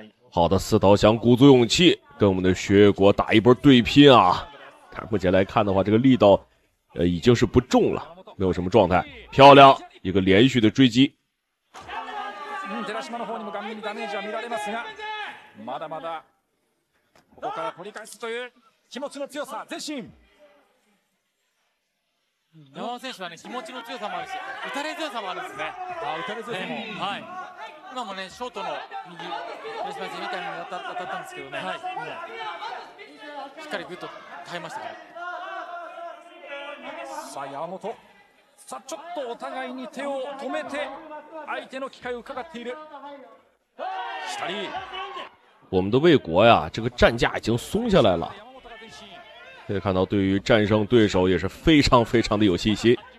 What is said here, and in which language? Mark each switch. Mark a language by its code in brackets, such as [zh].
[zh] 好的，四岛翔鼓足勇气跟我们的雪月国打一波对拼啊，但目前来看的话，这个力道已经是不重了，没有什么状态。漂亮，一个连续的追击。 [ja] 寺島の方にも顔面にダメージは見られますが、まだまだここから取り返すという気持ちの強さ、前進。山本選手はね、気持ちの強さもあるし打たれ強さもあるんですね。あ、打たれ強さも、はい、今もねショートの右吉田選手みたいに当たったんですけどね、はい、しっかりグッと耐えましたから。さあ山本、さあちょっとお互いに手を止めて相手の機会を伺っている。左、 [zh] 我们的魏国呀这个战架已经松下来了，可以看到对于战胜对手也是非常非常的有信心。